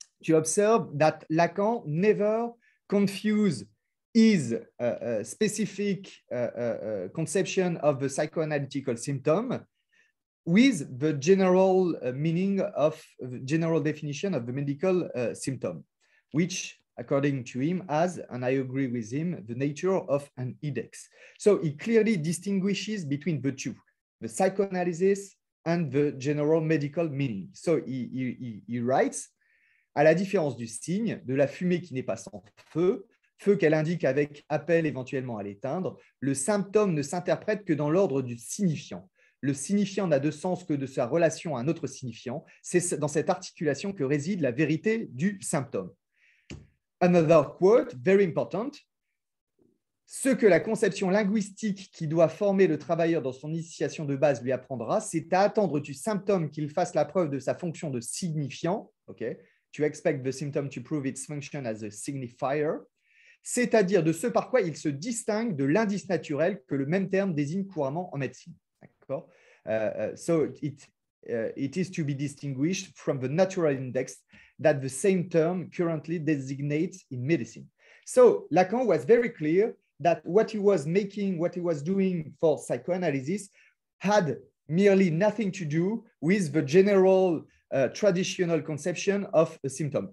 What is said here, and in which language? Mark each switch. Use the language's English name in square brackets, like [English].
[English] observe that Lacan never confuse his specific conception of the psychoanalytical symptom with the general meaning of the general definition of the medical symptom, which according to him has, and I agree with him, the nature of an index. So he clearly distinguishes between the two, the psychoanalysis and the general medical meaning. So he writes, [French] à la différence du signe, de la fumée qui n'est pas sans feu, feu qu'elle indique avec appel éventuellement à l'éteindre, le symptôme ne s'interprète que dans l'ordre du signifiant. Le signifiant n'a de sens que de sa relation à un autre signifiant. C'est dans cette articulation que réside la vérité du symptôme. [English] Another quote, very important. [French] Ce que la conception linguistique qui doit former le travailleur dans son initiation de base lui apprendra, c'est à attendre du symptôme qu'il fasse la preuve de sa fonction de signifiant. [English] Okay. To expect the symptom to prove its function as a signifier. [French] C'est-à-dire de ce par quoi il se distingue de l'indice naturel que le même terme désigne couramment en médecine. D'accord. [English] So it is to be distinguished from the natural index that the same term currently designates in medicine. So Lacan was very clear that what he was doing for psychoanalysis had merely nothing to do with the general traditional conception of a symptom.